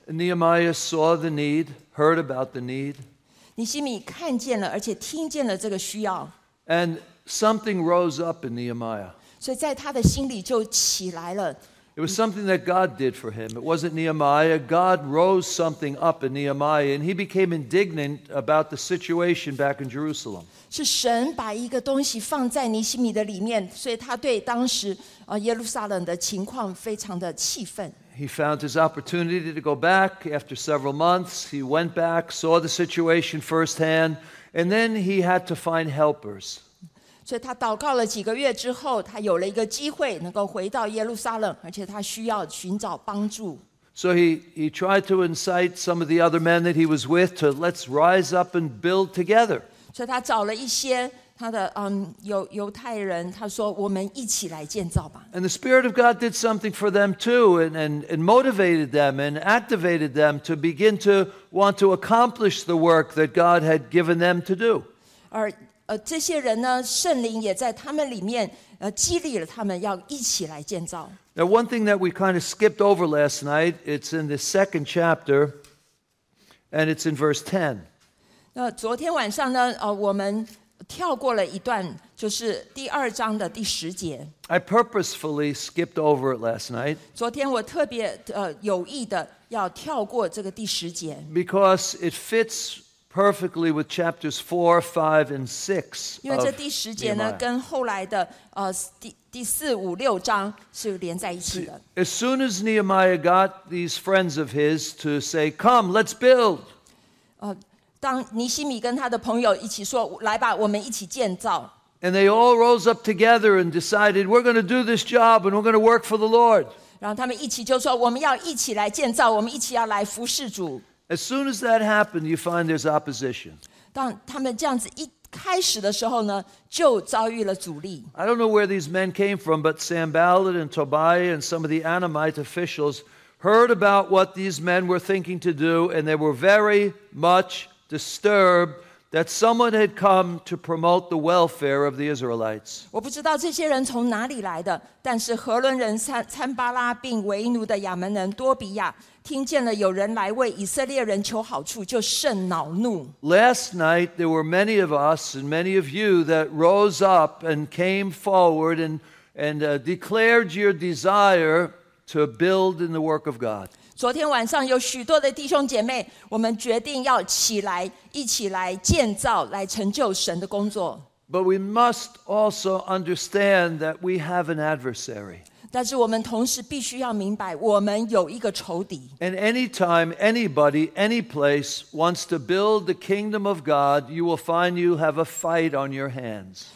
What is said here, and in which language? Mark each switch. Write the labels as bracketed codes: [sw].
[en] Nehemiah saw the need, heard about the need. [zh] 尼希米看见了，而且听见了这个需要。 [en] And something rose up in Nehemiah. [zh] 所以在他的心里就起来了。 [en] It was something that God did for him. It wasn't Nehemiah. God rose something up in Nehemiah, and he became indignant about the situation back in Jerusalem. [zh] 是神把一个东西放在尼希米的里面，所以他对当时耶路撒冷的情况非常的气愤。 [en] He found his opportunity to go back after several months. He went back, saw the situation firsthand, and then he had to find helpers. [zh] 所以他祷告了几个月之后，他有了一个机会能够回到耶路撒冷，而且他需要寻找帮助。 [en] So he tried to incite some of the other men that he was with to let's rise up and build together. [zh] 所以他找了一些他的犹太人，他说我们一起来建造吧。 [en] And the Spirit of God did something for them too, and motivated them and activated them to begin to want to accomplish the work that God had given them to do. [zh] 而这些人呢，圣灵也在他们里面激励了他们要一起来建造。 [en] Now one thing that we kind of skipped over last night, it's in the second chapter, and it's in verse 10. [zh] 昨天晚上呢，我们跳过了一段，就是第二章的第十节。 [en] I purposefully skipped over it last night. [zh] 昨天我特别有意的要跳过这个第十节。 [en] Because it fits perfectly with chapters 4, 5, and 6. [zh] 因为这第十节呢，跟后来的第四五六章是连在一起的。 [en] As soon as Nehemiah got these friends of his to say, "Come, let's build." [zh] 当尼西米跟他的朋友一起说，来吧，我们一起建造。 [en] And they all rose up together and decided, we're going to do this job and we're going to work for the Lord. [zh] 然后他们一起就说，我们要一起来建造，我们一起要来服事主。 [en] As soon as that happened, you find there's opposition. [zh] 当他们这样子一开始的时候呢，就遭遇了阻力。 [en] I don't know where these men came from, but Sanballat and Tobiah and some of the Ammonite officials heard about what these men were thinking to do, and they were very much disturbed that someone had come to promote the welfare of the Israelites. [zh] 我不知道这些人从哪里来的，但是何伦人、参巴拉并为奴的亚门人多比亚听见了有人来为以色列人求好处，就甚恼怒。 [en] Last night there were many of us and many of you that rose up and came forward and declared your desire to build in the work of God. [zh] 昨天晚上有许多的弟兄姐妹，我们决定要起来，一起来建造，来成就神的工作。 [en] But we must also understand that we have an adversary. [zh] 但是我们同时必须要明白，我们有一个仇敌。 [en] And anytime, anybody, any place wants to build the kingdom of God, you will find you have a fight on your hands.